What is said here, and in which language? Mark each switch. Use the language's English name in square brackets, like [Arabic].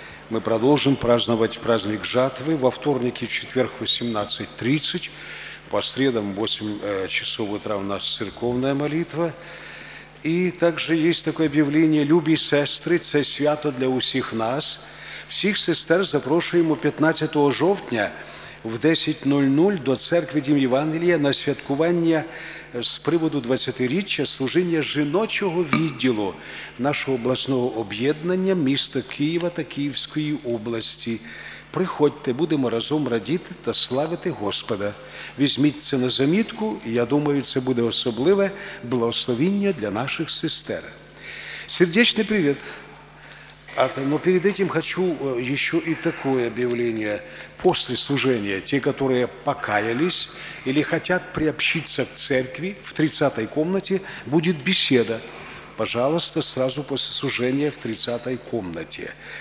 [Russian] Мы продолжим праздновать праздник жатвы во вторник и в четверг в 18:30. По средам в 8 часов утра у нас церковная молитва. И также есть такое объявление [Ukrainian] «Люби, сестры, це свято для усіх нас». Всіх сестер запрошуємо 15 жовтня в 10:00 до церкви Дім Євангелія на святкування з приводу 20-річчя служіння жіночого відділу нашого обласного об'єднання міста Києва та Київської області. Приходьте, будемо разом радіти та славити Господа. Візьміть це на замітку, я думаю, це буде особливе благословіння для наших сестер. Сердечний привіт! [Russian] Но перед этим хочу еще и такое объявление. После служения те, которые покаялись или хотят приобщиться к церкви, в 30-й комнате будет беседа. Пожалуйста, сразу после служения в 30-й комнате.